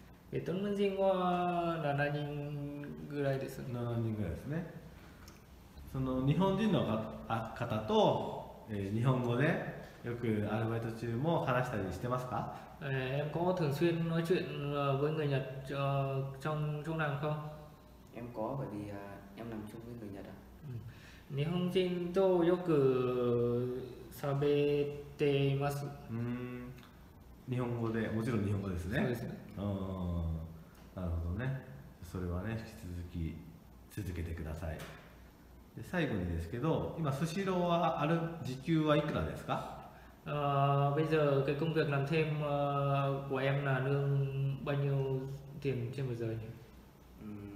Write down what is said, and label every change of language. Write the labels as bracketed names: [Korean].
[Japanese] ベトナム人は7人ぐらいです。 7人ぐらいですね。その日本人の方と、日本語でよくアルバイト中も話したりしてますか？ [Vietnamese] em có thường xuyên nói chuyện với người Nhật trong chỗ làm không? em có bởi vì em làm chung với người Nhật. [Japanese] 日本人とよく喋っています。日本語で、もちろん日本語ですね。そうですね。なるほどね。それはね、引き続き続けてください。で、最後にですけど、今スシローはある時給はいくらですか？ [Vietnamese] bây giờ cái công việc làm thêm của em là lương bao nhiêu tiền trên một giờ nhỉ?